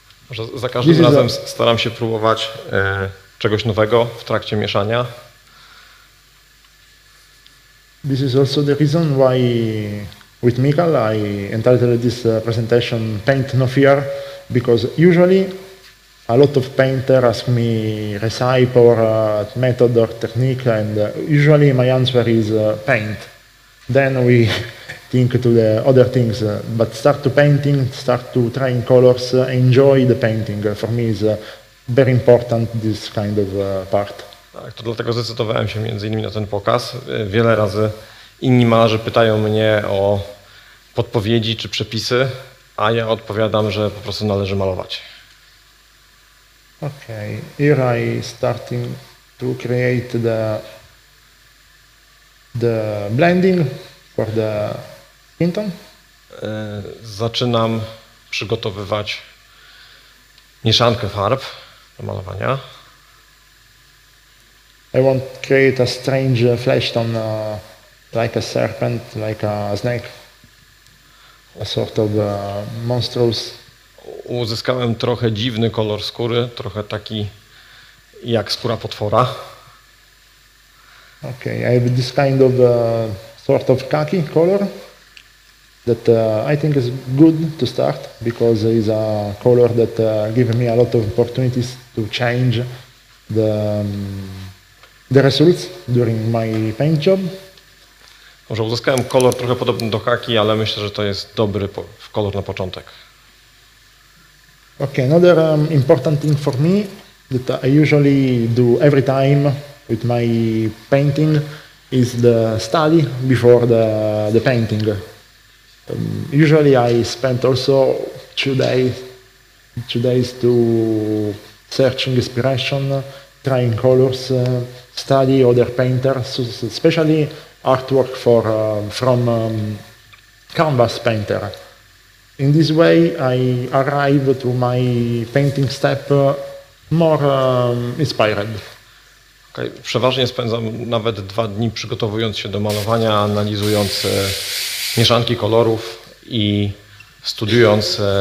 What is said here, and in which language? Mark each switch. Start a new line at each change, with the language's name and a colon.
Polish: Może za każdym this razem staram się próbować czegoś nowego w trakcie mieszania.
English: This is also the reason why with Mikal I entitled this presentation Paint No Fear, because usually a lot of painters ask me recipe or method or technique, and usually my answer is paint. Then we think to the other things, but start to painting, start to trying colors, enjoy the painting. For me is very important this kind of part.
Polish: Tak, to dlatego zdecydowałem się między innymi na ten pokaz. Wiele razy inni malarze pytają mnie o podpowiedzi czy przepisy, a ja odpowiadam, że po prostu należy malować.
English: Okay, here I starting to create the blending for the skin tone.
Polish: Zaczynam przygotowywać mieszankę farb do malowania.
English: I want to create a strange flesh tone, like a serpent, like a snake, a sort of monstrous.
Polish: Uzyskałem trochę dziwny kolor skóry, trochę taki jak skóra potwora.
English: Okay, I have this kind of sort of khaki color that I think is good to start because it's a color that gives me a lot of opportunities to change the results during my paint job.
Polish: Może uzyskałem kolor trochę podobny do khaki, ale myślę, że to jest dobry kolor na początek.
English: Okay, another important thing for me that I usually do every time with my painting is the study before the painting. Usually I spend also two days to searching inspiration, trying colors, study other painters, especially artwork from canvas painter. In this way, I arrive to my painting step more inspired. Okay.
Polish: Przeważnie spędzam nawet dwa dni przygotowując się do malowania, analizując mieszanki kolorów i studiując